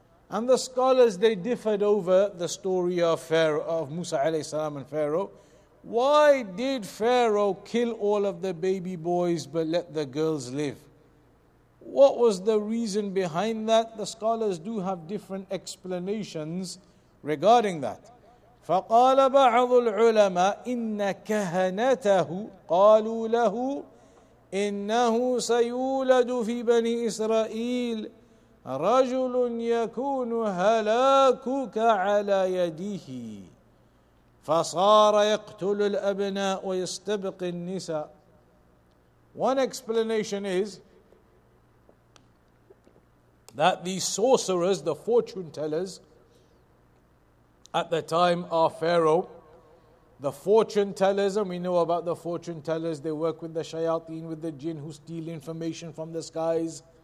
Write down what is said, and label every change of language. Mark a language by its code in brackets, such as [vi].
[en] And the scholars, they differed over the story of Pharaoh, of Musa alayhi salam and Pharaoh. Why did Pharaoh kill all of the baby boys but let the girls live? What was the reason behind that? The scholars do have different explanations regarding that. [ar] فَقَالَ بَعَضُ الْعُلَمَاءِ إِنَّ كَهَنَتَهُ قَالُوا لَهُ إِنَّهُ سَيُولَدُ فِي بَنِي إِسْرَائِيلِ رجل يكون هلاكك على يديه فصار يقتل الأبناء ويستبق النساء. [en] One explanation is that the sorcerers, the fortune tellers at the time of Pharaoh, The fortune tellers, and we know about the fortune tellers, they work with the shayateen, with the jinn who steal information from the skies.